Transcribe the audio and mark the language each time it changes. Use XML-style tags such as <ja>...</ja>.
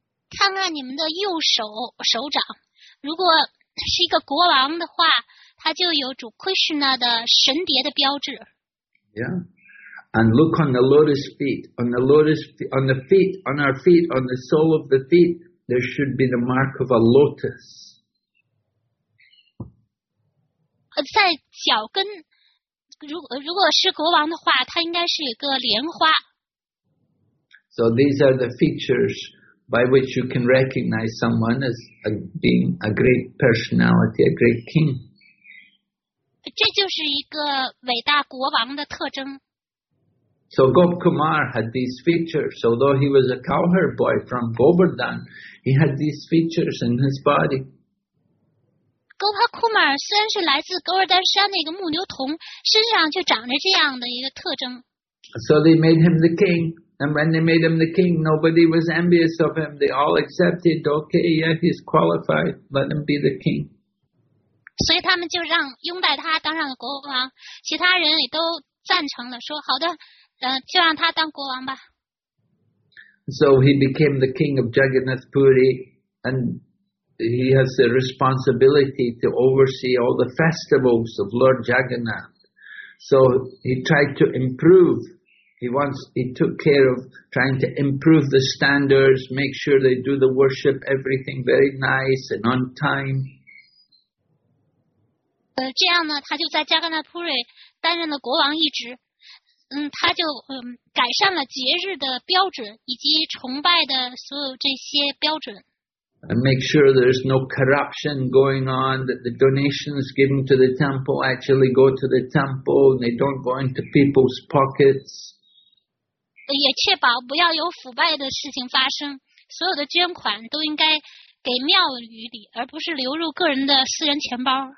<zh>看看你们的右手掌，如果是一个国王的话，他就有主 Krishna 的神碟的标志。</zh> <en>Yeah. And look on the lotus feet, on the lotus, on the feet, on our feet, on the sole of the feet, there should be the mark of a lotus.</en> <zh>在脚跟，如果是国王的话，他应该是一个莲花。</zh> <en>So these are the features by which you can recognize someone as being a great personality, a great king.</en> <zh>这就是一个伟大国王的特征。</zh> <en>So Gop Kumar had these features, although he was a cowherd boy from Govardhan, he had these features in his body.</en> <zh>Gop Kumar 虽然是来自 Govardhan 山的一个牧牛童，身上就长着这样的一个特征。</zh> <en>So they made him the king, and when they made him the king, nobody was envious of him. They all accepted, okay, yeah, he's qualified, let him be the king.</en> <zh>所以他们就让拥戴他当上了国王，其他人也都赞成了，说好的。就让他当国王吧。</zh> <en>So he became the king of Jagannath Puri, and he has the responsibility to oversee all the festivals of Lord Jagannath. So he tried to improve. He took care of trying to improve the standards, make sure they do the worship, everything very nice and on time.</en> <zh>这样呢，他就在 Jagannath Puri 担任了国王一职。他就改善了节日的标准以及崇拜的所有这些标准。</zh> <en>And make sure there's no corruption going on, that the donations given to the temple actually go to the temple and they don't go into people's pockets.</en> <zh>也确保不要有腐败的事情发生，所有的捐款都应该给庙宇里，而不是流入个人的私人钱包。</zh>